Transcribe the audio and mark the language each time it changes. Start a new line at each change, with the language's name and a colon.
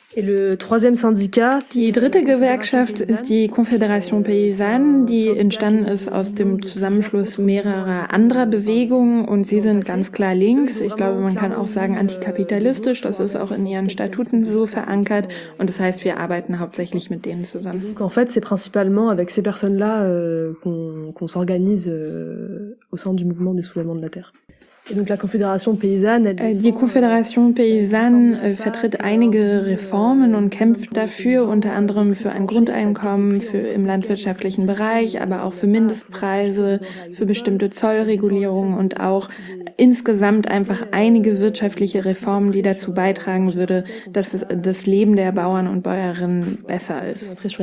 German: Die dritte Gewerkschaft ist die Confédération Paysanne, die entstanden ist aus dem Zusammenschluss mehrerer anderer Bewegungen und sie sind ganz klar links. Ich glaube, man kann auch sagen antikapitalistisch, das ist auch in ihren Statuten so verankert und das heißt, wir arbeiten hauptsächlich mit denen zusammen.
French: En fait, c'est principalement avec ces personnes-là qu'on s'organise au sein du mouvement des soulèvements de la terre.
German: Die Confédération Paysanne vertritt einige Reformen und kämpft dafür, unter anderem für ein Grundeinkommen für im landwirtschaftlichen Bereich, aber auch für Mindestpreise, für bestimmte Zollregulierungen und auch insgesamt einfach einige wirtschaftliche Reformen, die dazu beitragen würde, dass das Leben der Bauern und Bäuerinnen besser ist.